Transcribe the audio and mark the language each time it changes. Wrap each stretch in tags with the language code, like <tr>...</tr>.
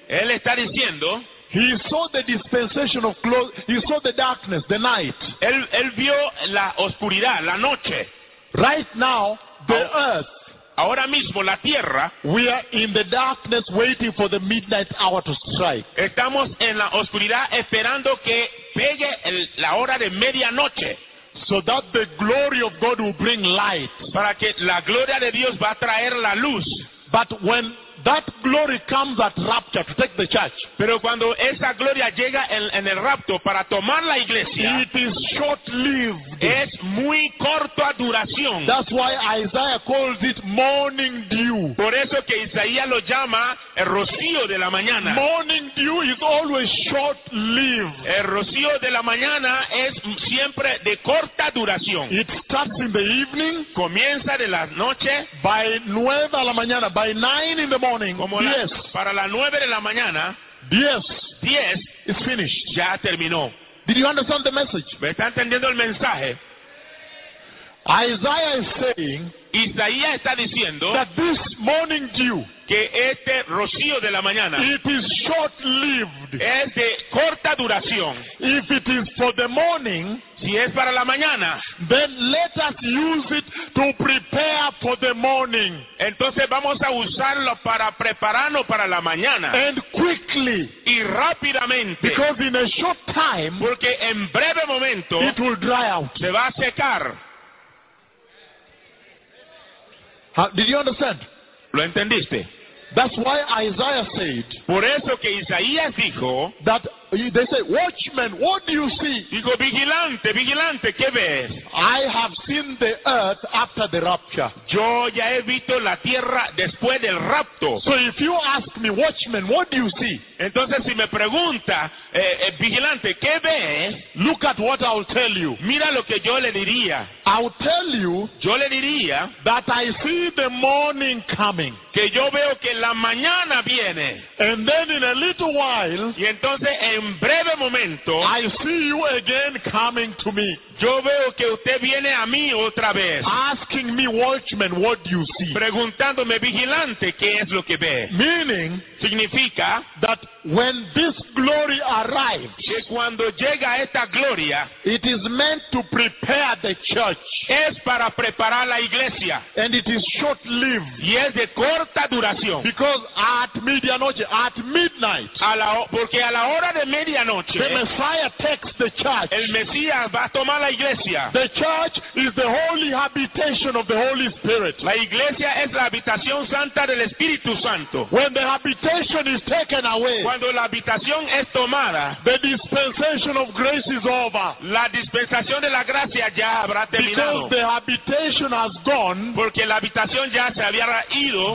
<es>él está diciendo,</es> <en>he saw the dispensation of glory, he saw the darkness, the night.</en> <es>Él vio la oscuridad, la noche.</es> <en>Right now, the earth,</en> <es>ahora mismo la tierra,</es> <en>we are in the darkness waiting for the midnight hour to strike.</en> <es>Estamos en la oscuridad esperando que pegue la hora de medianoche.</es> <en>So that the glory of God will bring light.</en> <es>Para que la gloria de Dios va a traer la luz.</es> <en>But when that glory comes at rapture to take the church,</en> <es>pero cuando esa gloria llega en el rapto para tomar la iglesia,</es> <en>it is short-lived.</en> <es>Es muy corta duración.</es> <en>That's why Isaiah calls it morning dew.</en> <es>Por eso que Isaías lo llama el rocío de la mañana.</es> <en>Morning dew is always short-lived.</en> <es>El rocío de la mañana es siempre de corta duración.</es> <en>It starts in the evening.</en> <es>Comienza de la noche.</es> <en>By 9</en> <es>a la mañana.</es> <en>By 9 in the morning.</en> <es>Como yes. Para las 9 de la mañana.</es> <en>Yes. 10. It's finished.</en> <es>Ya terminó.</es> <en>Did you understand the message?</en> <es>¿Me está entendiendo el mensaje?</es> <en>Isaiah is saying,</en> <es>Isaías está diciendo,</es> <en>that this morning dew,</en> <es>que este rocío de la mañana,</es> <en>it is short-lived,</en> <es>es de corta duración.</es> <en>If it is for the morning,</en> <es>si es para la mañana,</es> <en>then let us use it to prepare for the morning.</en> <es>Entonces vamos a usarlo para prepararnos para la mañana.</es> <en>And quickly,</en> <es>y rápidamente,</es> <en>because in a short time,</en> <es>porque en breve momento,</es> <en>it will dry out,</en> <es>se va a secar.</es> <en>Did you understand?</en> <es>¿Lo entendiste?</es> <en>That's why Isaiah said,</en> <es>por eso que Isaías dijo,</es> <en>that they say, watchman, what do you see?</en> <es>Digo, vigilante, vigilante, ¿qué ves?</es> <en>I have seen the earth after the rapture.</en> <es>Yo ya he visto la tierra después del rapto.</es> <en>So if you ask me, watchman, what do you see?</en> <es>Entonces si me pregunta, vigilante, ¿qué ves?</es> <en>Look at what I'll tell you.</en> <es>Mira lo que yo le diría.</es> <en>I'll tell you,</en> <es>yo le diría,</es> <en>that I see the morning coming.</en> <es>Que yo veo que la mañana viene.</es> <en>And then in a little while,</en> <es>y entonces en breve momento,</es> <en>I see you again coming to me.</en> <es>Yo veo que usted viene a mí otra vez.</es> <en>Asking me, watchman, what do you see?</en> <es>Preguntándome, vigilante, ¿qué es lo que ve?</es> <en>Meaning,</en> <es>significa,</es> <en>that when this glory arrives,</en> <es>que cuando llega esta gloria,</es> <en>it is meant to prepare the church.</en> <es>Es para preparar la iglesia.</es> <en>And it is short-lived.</en> <es>Y es de corta duración.</es> <en>Because at medianoche, at midnight,</en> <es>a la, porque a la hora de medianoche,</es> <en>the Messiah takes the church.</en> <es>El Mesías va a tomar la iglesia.</es> <en>The church is the holy habitation of the Holy Spirit.</en> <es>La iglesia es la habitación santa del Espíritu Santo.</es> <en>When the habitation is taken away,</en> <es>cuando la habitación es tomada,</es> <en>the dispensation of grace is over.</en> <es>La dispensación de la gracia ya habrá terminado.</es> <en>Because the habitation has gone,</en> <es>porque la habitación ya se había ido,</es>